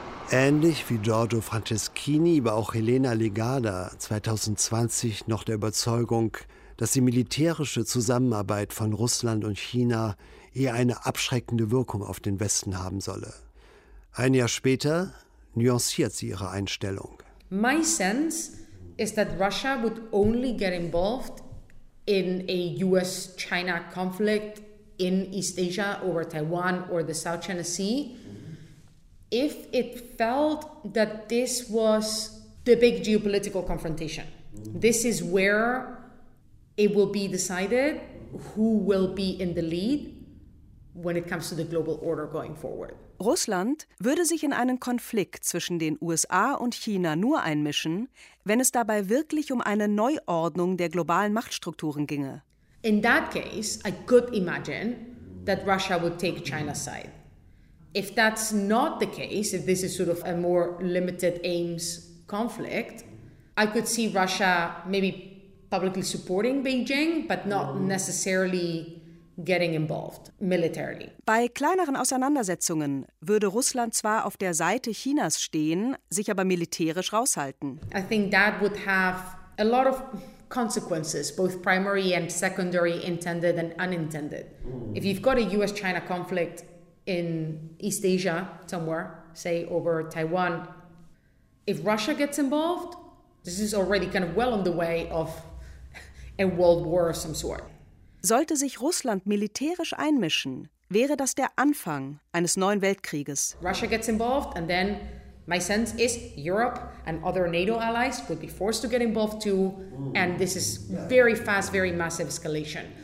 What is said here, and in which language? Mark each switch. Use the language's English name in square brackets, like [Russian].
[German] Ähnlich wie Giorgio Franceschini war auch Helena Legarda 2020 noch der Überzeugung, dass die militärische Zusammenarbeit von Russland und China eher eine abschreckende Wirkung auf den Westen haben solle. Ein Jahr später nuanciert sie ihre Einstellung. [English] My sense is that Russia would only get involved in a US-China conflict in East Asia over Taiwan or the South China Sea. If it felt that this was the big geopolitical confrontation, this is where it will be decided who will be in the lead when it comes to the global order going forward. [German] Russland würde sich in einen Konflikt zwischen den USA und China nur einmischen, wenn es dabei wirklich um eine Neuordnung der globalen Machtstrukturen ginge. [English] In that case, I could imagine that Russia would take China's side. If that's not the case, if this is sort of a more limited aims conflict, I could see Russia maybe publicly supporting Beijing, but not necessarily getting involved militarily. [German] Bei kleineren Auseinandersetzungen würde Russland zwar auf der Seite Chinas stehen, sich aber militärisch raushalten. [English] I think that would have a lot of consequences, both primary and secondary, intended and unintended. If you've got a US-China conflict in East Asia somewhere, say over Taiwan, if Russia gets involved, this is already kind of well on the way of a world war of some sort. [German] Sollte sich Russland militärisch einmischen, wäre das der Anfang eines neuen Weltkrieges. [English] Russia gets involved and then my sense is Europe and other NATO allies would be forced to get involved too. And this is very fast, very massive escalation.